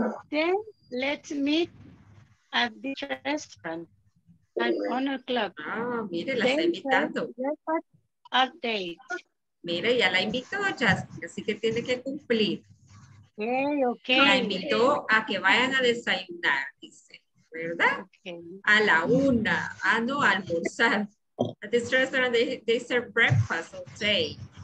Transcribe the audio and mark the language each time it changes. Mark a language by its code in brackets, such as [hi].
[en] Then let's meet at the restaurant at 1 o'clock. [es] Ah, mire, la está invitando. [en] Breakfast at date. [es] Mira, ya la invitó, Jasmine, así que tiene que cumplir. [en] Okay, okay. [es] La invitó a que vayan a desayunar, dice, ¿verdad? [en] Okay. [es] A la una. Ah, no, a almorzar. [en] At this restaurant, they serve breakfast all day.